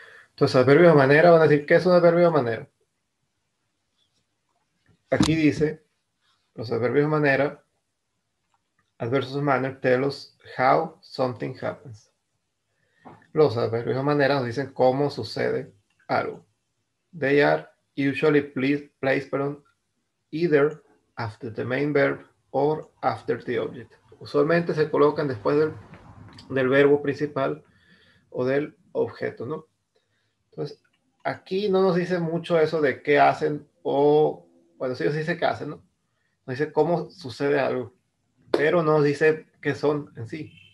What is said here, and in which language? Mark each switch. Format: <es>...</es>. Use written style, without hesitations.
<es>Entonces, adverbio de manera, van a decir, ¿qué es un adverbio de manera? Aquí dice, los adverbios de manera.</es> <en>Adversus manner tell us how something happens.</en> <es>Los adverbios de manera nos dicen cómo sucede algo.</es> <en>They are usually placed,</en> <es>perdón,</es> <en>either after the main verb or after the object.</en> <es>Usualmente se colocan después del verbo principal o del objeto, ¿no? Entonces, Aquí no nos dice mucho eso de qué hacen o, bueno, sí, sí dice qué hacen, ¿no? Nos dice cómo sucede algo, pero no nos dice qué son en sí.</es>